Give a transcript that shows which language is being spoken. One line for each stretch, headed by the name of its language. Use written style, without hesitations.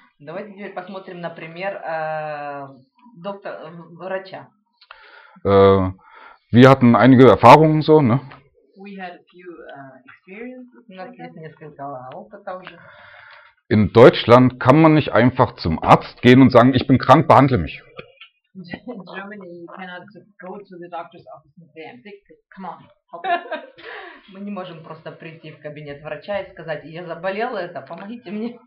Russian: Давайте теперь посмотрим, например, доктор, врача.
German: Wir hatten einige Erfahrungen so, ne?
English: We had a few experiences.
German: In Deutschland kann man nicht einfach zum Arzt gehen und sagen, ich bin krank, behandle mich.
English: In Germany you cannot go to the doctor's office and say, I'm sick, come on, help me.
Russian: Мы не можем просто прийти в кабинет врача и сказать, я заболел это, помогите мне.